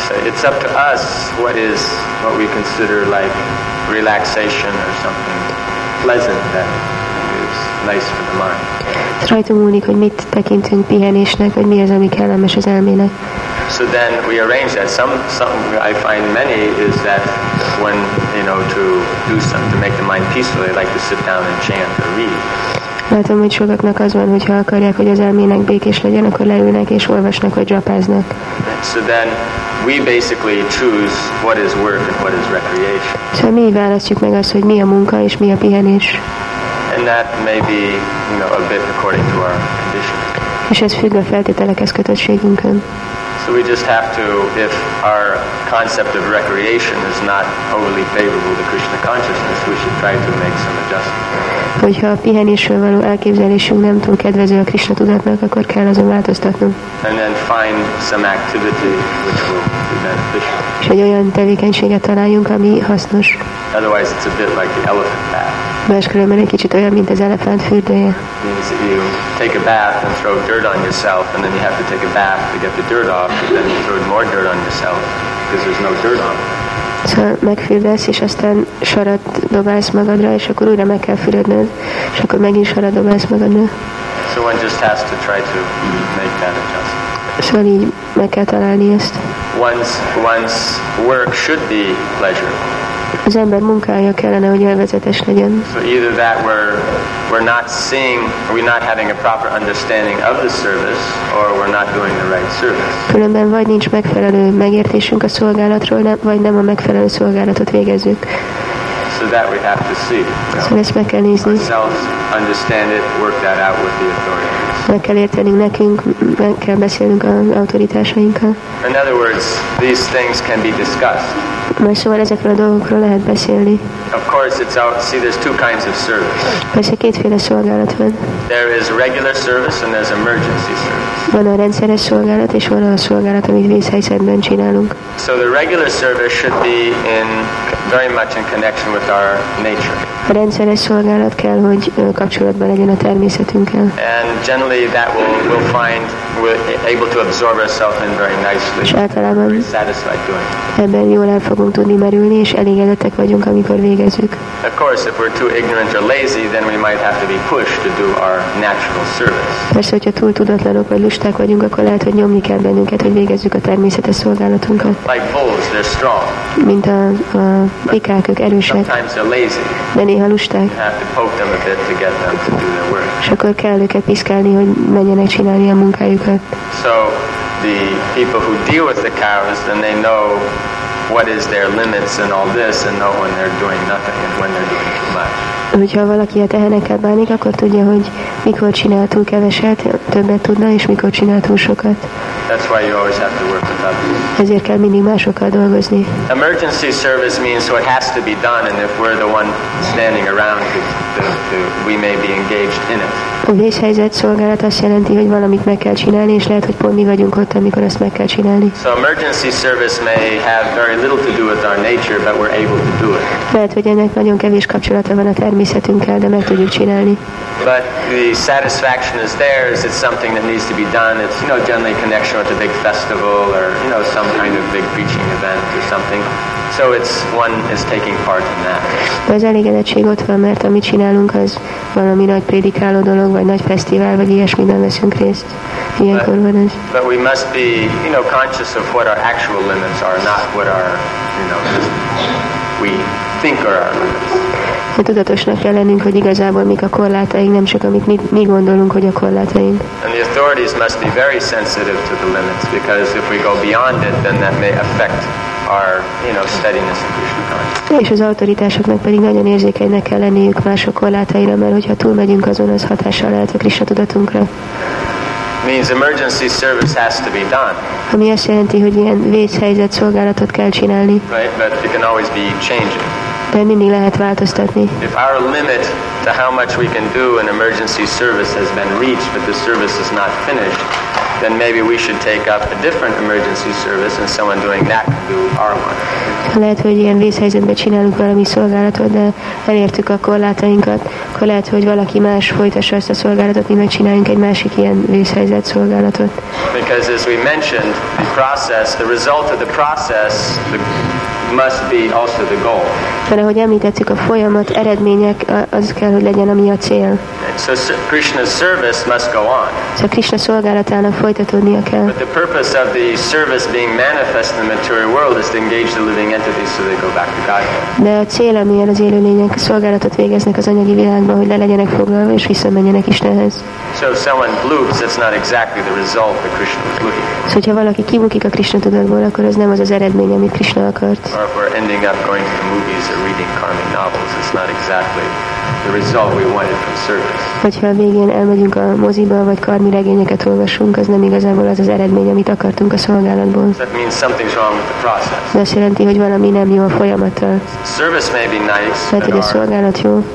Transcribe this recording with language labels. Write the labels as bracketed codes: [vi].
[en] It's up to us what we consider like relaxation or something pleasant that is nice for the mind. [hu] Ez rajta múlik, hogy mit tekintünk pihenésnek, vagy mi az, ami kellemes az elmének. [en] So then we arrange that. Some I find many is that when, you know, to do something to make the mind peaceful, they like to sit down and chant or read. [hu] Látom, hogy sokaknak az van, hogyha akarják, hogy az elmének békés legyen, akkor leülnek és olvasnak, vagy japáznak. [en] So then we basically choose what is work and what is recreation. [hu] So mi választjuk meg azt, hogy mi a munka és mi a pihenés. [en] And that may be, you know, a bit according to our condition. [hu] És ez függ a feltételekhez, kötöttségünkön. [en] So we just have to, if our concept of recreation is not overly favorable to Krishna consciousness, we should try to make some adjustments. [hu] Hogyha a pihenésről való elképzelésünk nem túl kedvező a Krishna tudatnak, akkor kell azon változtatnunk. [en] And then find some activity which will be beneficial. [hu] És egy olyan tevékenységet találjunk, ami hasznos. [en] Otherwise it's a bit like the elephant bath. [hu] Máskülönben egy kicsit olyan, mint az elefánt fürdője. [en] You take a bath and throw dirt on yourself, and then you have to take a bath to get the dirt off, and then you throw more dirt on yourself, because there's no dirt on it. [hu] Szóval megfürdesz, és aztán sarat dobálsz magadra, és akkor újra meg kell fürödnöd, és akkor megint sarat dobálsz magadra. [en] So one just has to try to make that adjustment. [hu] Szóval így meg kell találni ezt. [en] One's work should be pleasure. [hu] Az ember munkája kellene, hogy élvezetes legyen. [en] So either that we're not seeing, we're not having a proper understanding of the service, or we're not doing the right service. [hu] Különben vagy nincs megfelelő megértésünk a szolgálatról, vagy nem a megfelelő szolgálatot végezzük. [en] So that we have to see. [hu] Szóval ezt meg kell nézni. [en] Ourselves understand it, work that out with the authorities. [hu] Meg kell értenünk nekünk, meg kell beszélnünk az autoritásainkkal. [en] In other words, these things can be discussed. [hu] Mert szóval ezekről a dolgokról lehet beszélni. [en] Of course, it's out. See, there's two kinds of service. [hu] Persze kétféle szolgálat van. [en] There is regular service and there's emergency service. [hu] Van a rendszeres szolgálat és van a szolgálat, amit vészhelyzetben csinálunk. [en] So the regular service should be in very much in connection with our nature. [hu] A rendszeres szolgálat kell, hogy kapcsolatban legyen a természetünkkel. [en] And generally, that we'll find we're able to absorb ourselves in very nicely. [hu] És általában [en] satisfied doing. [hu] Ebben jól el fogunk tudni merülni, és elégedettek vagyunk, amikor végezzük. [en] Of course, if we're too ignorant or lazy, then we might have to be pushed to do our natural service. [hu] Persze, hogyha túl tudatlanok vagy lusták vagyunk, akkor lehet, hogy nyomni kell bennünket, hogy végezzük a természetes szolgálatunkat. [en] Like bulls, they're strong. [hu] Mint a bikák, ők erősek. [en] Sometimes they're lazy. [hu] De néha lusták. [en] You have to poke them a bit to get them to do their work. [hu] És akkor kell őket piszkálni, hogy menjenek csinálni a munkájukat. [en] So the people who deal with the cows, then they know what is their limits and all this, and know when they're doing nothing and when they're doing too much. [hu] Hogyha valaki a tehenekkel bánik, akkor tudja, hogy mikor csinál túl keveset, többet tudna, és mikor csinál túl sokat. [en] That's why you always have to work with others. [hu] Ezért kell mindig másokkal dolgozni. [en] Emergency service means what has to be done, and if we're the one standing around, we may be engaged in it. [hu] A vészhelyzet szolgálat azt jelenti, hogy valamit meg kell csinálni, és lehet, hogy pont mi vagyunk ott, amikor ezt meg kell csinálni. [en] So emergency service may have very little to do with our nature, but we're able to do it. [hu] Lehet, hogy ennek nagyon kevés kapcsolata van a természetünkkel, de meg tudjuk csinálni. [en] But the satisfaction is there, is it something that needs to be done? It's, you know, generally connection with a big festival or, you know, some kind of big preaching event or something. So it's one is taking part in that. [hu] De az elégedettség ott van, mert amit csinálunk, az valami nagy prédikáló dolog, vagy nagy fesztivál, vagy ilyesmiben veszünk részt. Ilyenkor van ez. [en] But we must be, you know, conscious of what our actual limits are, not what our, you know, we think are our limits. [hu] De tudatosnak kell lennünk, hogy igazából mik a korlátaink, nem csak amit mi gondolunk, hogy a korlátaink. [en] And the authorities must be very sensitive to the limits, because if we go beyond it, then that may affect our, you know, steadiness and Krishna consciousness. [hu] És az autoritásoknak pedig nagyon érzékenynek kell lenniük mások korlátaira, mert hogyha túlmegyünk azon, az hatással lehet a Krishna tudatunkra. [en] Means emergency service has to be done. [hu] Ami azt jelenti, hogy ilyen vészhelyzet szolgálatot kell csinálni. [en] Right, but it can always be changing. [hu] De mindig lehet változtatni. [en] If our limit to how much we can do in emergency service has been reached, but the service is not finished, then maybe we should take up a different emergency service and someone doing that can do our one. [hu] Lehet, hogy ilyen vészhelyzetben csinálunk valami szolgálatot, de elértük a korlátainkat, akkor lehet, hogy valaki más folytassa ezt a szolgálatot, mi meg csináljunk egy másik ilyen vészhelyzet szolgálatot. [en] Because as we mentioned, the process, the result of the process, the must be also the goal. [hu] Mert ahogy említettük, a folyamat eredmények az kell, hogy legyen, ami a cél. [en] So Krishna's service must go on. [hu] So Krishna szolgálatának folytatódnia kell. [en] But the purpose of the service being manifest in the material world is to engage the living entities so they go back to Godhead. [hu] De a cél, amilyen az élőlények szolgálatot végeznek az anyagi világban, hogy le legyenek foglalva és visszamenjenek Istenhez. [en] So if someone bloops, it's not exactly the result that Krishna was looking for. [hu] So, hogyha valaki kibukik a Krishna tudatból, akkor ez nem az az eredmény, amit Krishna akart. [en] or if we're ending up going to the movies or reading Carmen novels, it's not exactly the result we wanted from service. [hu] Hogyha a végén elmegyünk a moziba, vagy Carmi regényeket olvasunk, az nem igazából az az eredmény, amit akartunk a szolgálatból. [en] That means something's wrong with the process. [hu] De azt jelenti, hogy valami nem jó a folyamattal. [en] Service may be nice, [hu] lehet, hogy a szolgálat jó.